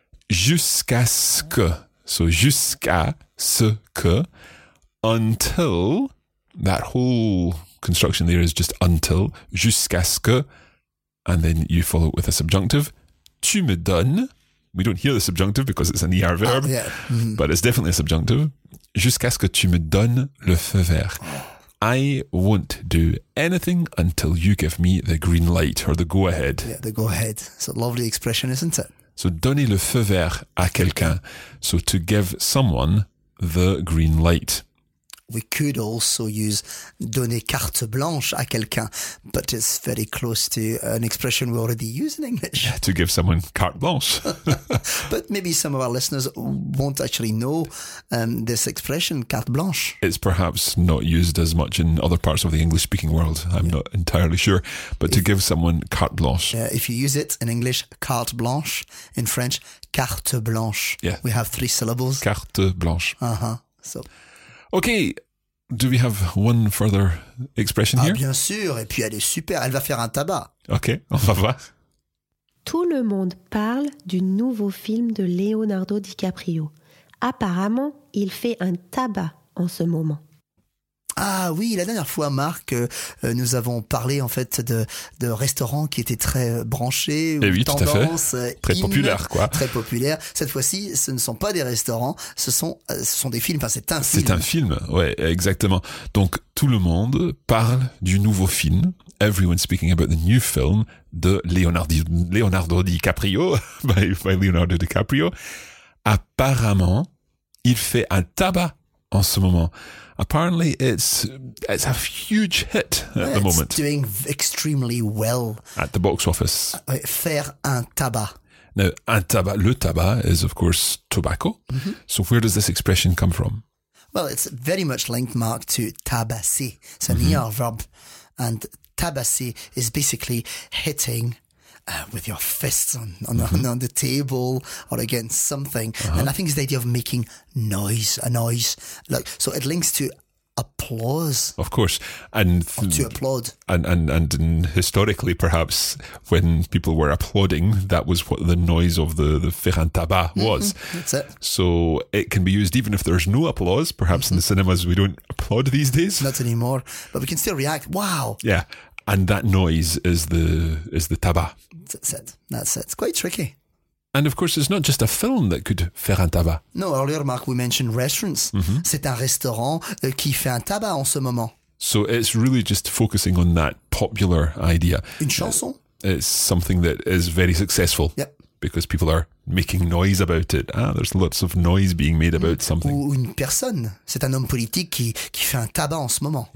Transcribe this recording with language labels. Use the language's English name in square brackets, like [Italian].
[English] Jusqu'à ce que. So [French] jusqu'à ce que, [English] until, that whole construction there is just until, jusqu'à ce que, and then you follow it with a subjunctive, [French] tu me donnes, [English] we don't hear the subjunctive because it's an ER verb, yeah. But it's definitely a subjunctive, [French] jusqu'à ce que tu me donnes le feu vert. [English] I won't do anything until you give me the green light or the go ahead. Yeah, the go ahead. It's a lovely expression, isn't it? [French] So donner le feu vert à quelqu'un. [English] So to give someone the green light. We could also use [French] donner carte blanche à quelqu'un, [English] but it's very close to an expression we already use in English. Yeah, to give someone carte blanche. But maybe some of our listeners won't actually know this expression, carte blanche. It's perhaps not used as much in other parts of the English-speaking world. I'm not entirely sure. But to give someone carte blanche. If you use it in English, carte blanche. In French, carte blanche. Yeah. We have three syllables. Carte blanche. Uh-huh. So... Okay, do we have one further expression here? [French] Ah, bien sûr, et puis elle est super, elle va faire un tabac. Okay, on va voir. Tout le monde parle du nouveau film de Leonardo DiCaprio. Apparemment, il fait un tabac en ce moment. Ah oui, la dernière fois, Marc, nous avons parlé en fait de restaurants qui étaient très branchés, et oui, tendance, tout à fait. Très populaire, quoi. Très populaire. Cette fois-ci, ce ne sont pas des restaurants, ce sont des films. Enfin, c'est un film. C'est un film, ouais, exactement. Donc tout le monde parle du nouveau film. [English] Everyone's speaking about the new film de Leonardo DiCaprio, by Leonardo DiCaprio. [French] Apparemment, il fait un tabac en ce moment. [English] Apparently, it's a huge hit at the moment. It's doing extremely well. At the box office. [French] Faire un tabac. [English] Now, un tabac, le tabac is, of course, tobacco. Mm-hmm. So where does this expression come from? Well, it's very much linked, Mark, to tabasser. It's an ER verb. And tabasser is basically hitting with your fists on the table or against something. Uh-huh. And I think it's the idea of making a noise. Like, so it links to applause. Of course. And to applaud. And historically, perhaps, when people were applauding, that was what the noise of the [French] faire un tabac [English] was. Mm-hmm. That's it. So it can be used even if there's no applause. Perhaps in the cinemas, we don't applaud these days. Not anymore. But we can still react. Wow. Yeah. And that noise is the tabac. That's it. It's quite tricky. And of course, it's not just a film that could [French] faire un tabac. [English] No, earlier, Mark, we mentioned restaurants. Mm-hmm. [French] C'est un restaurant qui fait un tabac en ce moment. [English] So it's really just focusing on that popular idea. [French] Une chanson. [English] It's something that is very successful. Yep. because people are making noise about it. Ah, there's lots of noise being made about something. [French] Ou une personne. C'est un homme politique qui fait un tabac en ce moment.